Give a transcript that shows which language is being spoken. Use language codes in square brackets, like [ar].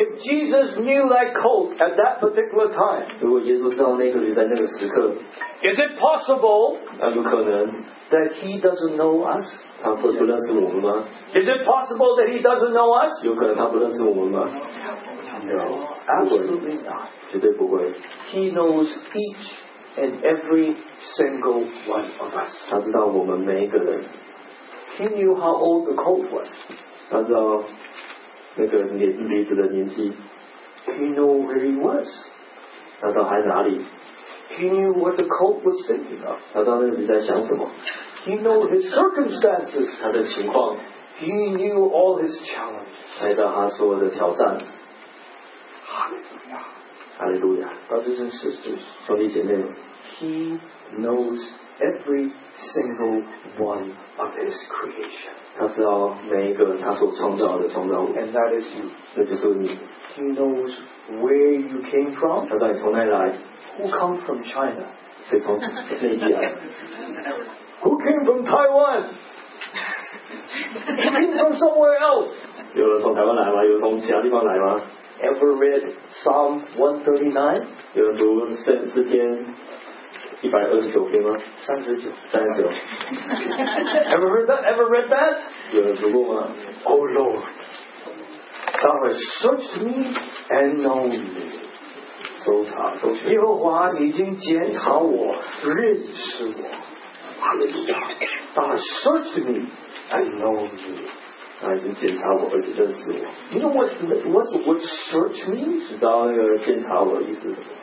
[en] if Jesus knew that cult at that particular time, [zh] 如果耶稣知道那个驴在那个时刻, [en] is it possible, [zh] 那有可能, [en] that he doesn't know us? [zh] 他不认识我们吗? [en] Is it possible that he doesn't know us? [zh] 有可能他不认识我们吗? [en] No, absolutely not. [zh] 绝对不会。 [en] He knows each and every single one of us. [zh] 他知道我们每一个人。 [en] He knew how old the colt was. [zh] 他知道那个驴子的年纪。 [en] He knew where he was. [zh] 他知道还哪里。 [en] He knew what the colt was thinking of. [zh] 他知道那个驴在想什么。 [en] He knew his circumstances. [zh] 他的情况。 [en] He knew all his challenges. [zh] 他知道他所有的挑战。 [en] Hallelujah. Hallelujah. Brothers and sisters, [zh] 兄弟姐妹。 [en] He knows. Every single one of his creation. [zh] 他知道每一个他所创造的创造物。 [en] And that is you. [zh] 那就是你。 [en] He knows where you came from. [zh] 他知道你从哪里来。 [en] Who comes from China? [zh] 谁从内地来。 [en] Who came from Taiwan? He came from somewhere else. [zh] 有人从台湾来吗？有人从其他地方来吗？ [en] Ever read Psalm 139? [zh] 有人读诗篇。 [en] 139. Ever read that? [zh] 有人读过吗 [en] ？Oh Lord, Thou hast searched me and known me. [zh] 搜查搜寻。耶和华已经检查我，认识我。 [en] Thou hast searched me and known me. [zh] 他已经检查我，而且认识我。 [en] You know what search means? [zh] 知道那个检查我的意思。